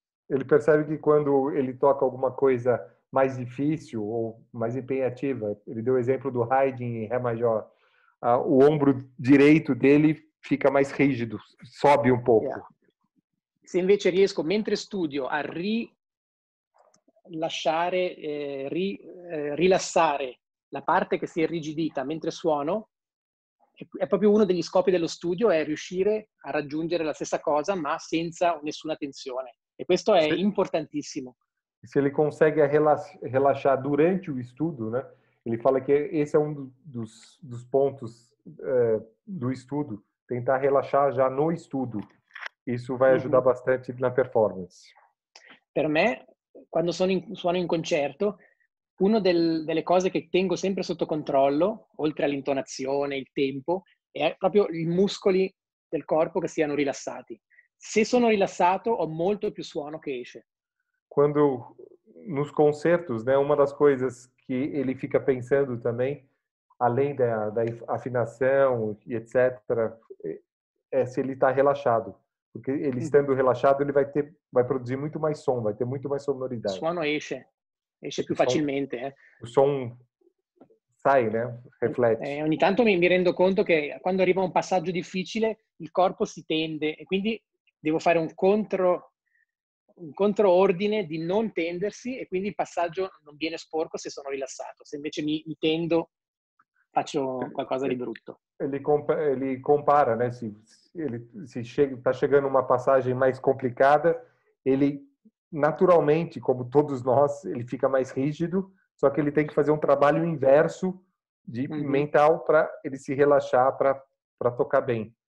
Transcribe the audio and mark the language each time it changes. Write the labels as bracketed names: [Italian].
[Portuguese] Ele percebe que quando ele toca alguma coisa mais difícil ou mais impegnativa, ele deu o exemplo do Haydn em ré maior, o ombro direito dele fica mais rígido, sobe um pouco. [Italian] Se invece riesco, mentre studio, a rilassare la parte che si è rigidita mentre suono, è proprio uno degli scopi dello studio, è riuscire a raggiungere la stessa cosa ma senza nessuna tensione. E questo è importantissimo. [Portuguese] Se ele consegue relaxar durante o estudo, né? Ele fala que esse é um dos pontos do estudo, tentar relaxar já no estudo. Isso vai ajudar bastante na performance. [Italian] Per me, quando suono in concerto, una delle cose che tengo sempre sotto controllo, oltre all'intonazione, il tempo, è proprio i muscoli del corpo che siano rilassati. Se sono rilassato, ho molto più suono che esce. [Portuguese] Quando nos concertos, né, uma das coisas que ele fica pensando também, além da afinação e etc., é se ele está relaxado. Porque ele estando relaxado, ele vai produzir muito mais som, vai ter muito mais sonoridade. [Italian] O suono esce più facilmente. [Portuguese] O som sai, né? Reflete. [Italian] Ogni tanto mi rendo conto che quando arriva un passaggio difficile, il corpo si tende e quindi devo fare un contro ordine di non tendersi e quindi il passaggio non viene sporco se sono rilassato. Se invece mi tendo, faccio qualcosa di brutto. [Portuguese] Ele compara, né? Se está chegando uma passagem mais complicada, ele naturalmente, como todos nós, ele fica mais rígido, só que ele tem que fazer um trabalho inverso de mental para ele se relaxar para tocar bem.